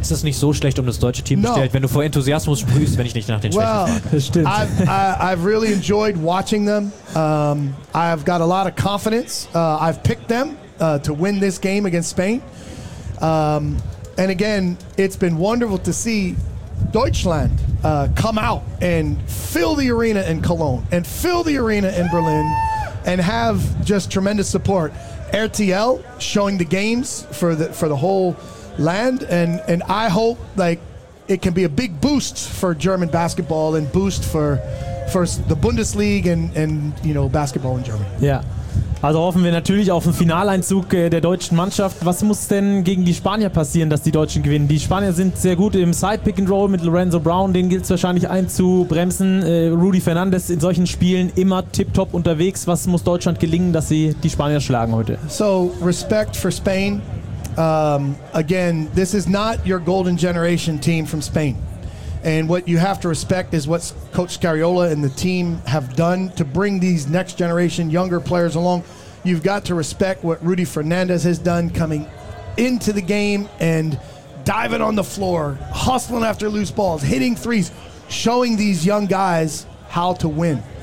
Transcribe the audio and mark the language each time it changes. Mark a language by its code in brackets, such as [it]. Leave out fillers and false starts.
[de] Ist das nicht so schlecht, um das deutsche Team bestellt, wenn du vor Enthusiasmus sprühst, wenn ich nicht nach den Schwächen frage? [en] I've really enjoyed watching them. I've got a lot of confidence. I've picked them to win this game against Spain. And again, it's been wonderful to see Deutschland come out and fill the arena in Cologne and fill the arena in Berlin and have just tremendous support. RTL showing the games for the whole land, and I hope it can be a big boost for German basketball and boost for the Bundesliga and basketball in Germany. Yeah. [de] Also hoffen wir natürlich auf einen Finaleinzug der deutschen Mannschaft. Was muss denn gegen die Spanier passieren, dass die Deutschen gewinnen? Die Spanier sind sehr gut im Side-Pick-and-Roll mit Lorenzo Brown. Den gilt es wahrscheinlich einzubremsen. Rudy Fernandes in solchen Spielen immer tip-top unterwegs. Was muss Deutschland gelingen, dass sie die Spanier schlagen heute? [en] So, respect for Spain. Again, this is not your golden generation team from Spain. And what you have to respect is what Coach Scariola and the team have done to bring these next generation younger players along. You've got to respect what Rudy Fernandez has done coming into the game and diving on the floor, hustling after loose balls, hitting threes, showing these young guys how to win.